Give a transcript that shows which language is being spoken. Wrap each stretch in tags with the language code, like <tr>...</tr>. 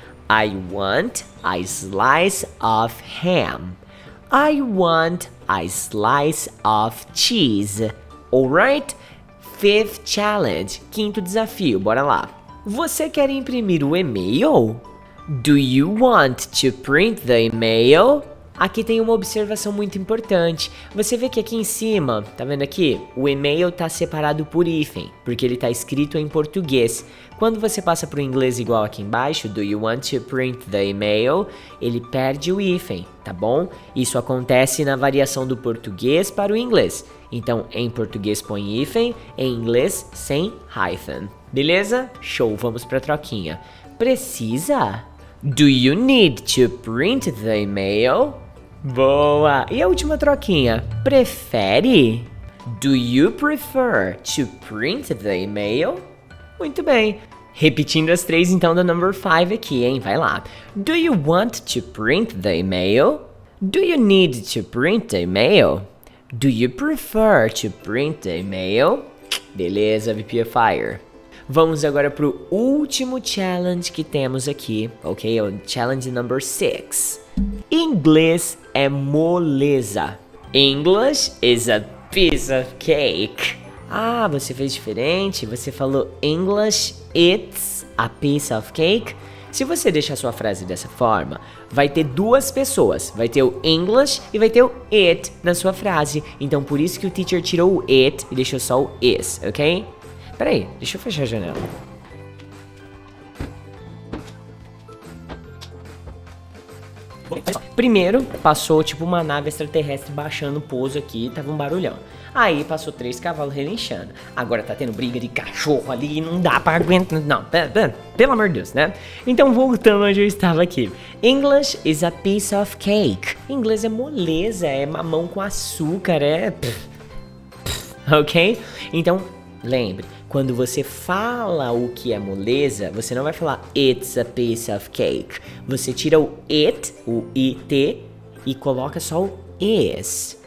<en>I want a slice of ham. I want a slice of cheese. Alright? Fifth challenge.</en> <pt>Quinto desafio, bora lá. Você quer imprimir o e-mail?</pt> <en>Do you want to print the email?</en> <pt>Aqui tem uma observação muito importante. Você vê que aqui em cima, tá vendo aqui? O e-mail tá separado por hífen, porque ele tá escrito em português. Quando você passa pro inglês igual aqui embaixo,</pt> <en>do you want to print the email,</en> <pt>ele perde o hífen, tá bom? Isso acontece na variação do português para o inglês. Então, em português põe hífen, em inglês sem hyphen. Beleza? Show, vamos pra troquinha. Precisa?</pt> <en>Do you need to print the email?</en> <pt>Boa! E a última troquinha? Prefere?</pt> <en>Do you prefer to print the email?</en> <pt>Muito bem! Repetindo as três então do number 5 aqui, hein? Vai lá!</pt> <en>Do you want to print the email? Do you need to print the email? Do you prefer to print the email?</en> <pt>Beleza, VPFire! Vamos agora pro último challenge que temos aqui, ok? O challenge number 6. Inglês é moleza.</pt> <en>English is a piece of cake.</en> <pt>Ah, você fez diferente. Você falou</pt> <en>English, it's a piece of cake.</en> <pt>Se você deixar sua frase dessa forma, vai ter duas pessoas. Vai ter o English e vai ter o it na sua frase. Então, por isso que o teacher tirou o it e deixou só o is, ok? Peraí, deixa eu fechar a janela. Primeiro, passou tipo uma nave extraterrestre baixando o pouso aqui, tava um barulhão. Aí passou três cavalos relinchando. Agora tá tendo briga de cachorro ali e não dá pra aguentar. Não, pelo amor de Deus, né? Então voltando onde eu estava aqui.</pt> <en>English is a piece of cake.</en> <pt>Inglês é moleza, é mamão com açúcar, é... Ok? Então, lembre. Quando você fala o que é moleza, você não vai falar</pt> <en>it's a piece of cake.</en> <pt>Você tira o it, o it, e coloca só o is.</pt>